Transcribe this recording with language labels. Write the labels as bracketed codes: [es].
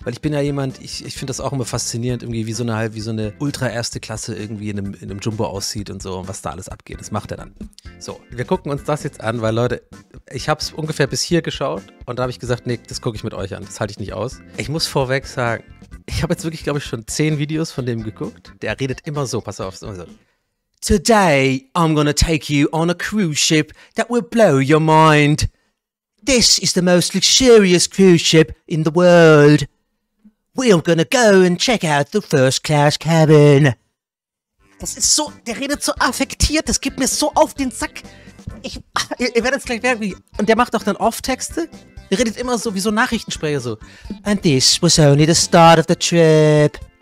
[de] Weil ich bin ja jemand, ich finde das auch immer faszinierend, irgendwie wie so eine ultra erste Klasse irgendwie in einem Jumbo aussieht und so, und was da alles abgeht. Das macht er dann. So, wir gucken uns das jetzt an, weil Leute, ich habe es ungefähr bis hier geschaut und da habe ich gesagt, nee, das gucke ich mit euch an, das halte ich nicht aus. Ich muss vorweg sagen, ich habe jetzt wirklich, glaube ich, schon 10 Videos von dem geguckt. Der redet immer so, pass auf, immer so. [en] Today, I'm gonna take you on a cruise ship that will blow your mind. This is the most luxurious cruise ship in the world. We're gonna go and check out the first class cabin. [de] Das ist so, der redet so affektiert, das gibt mir so auf den Sack. Ihr werdet es gleich merken. Und der macht auch dann Off-Texte. Der redet immer so wie so ein Nachrichtensprecher so. [en] And this was only the start of the trip.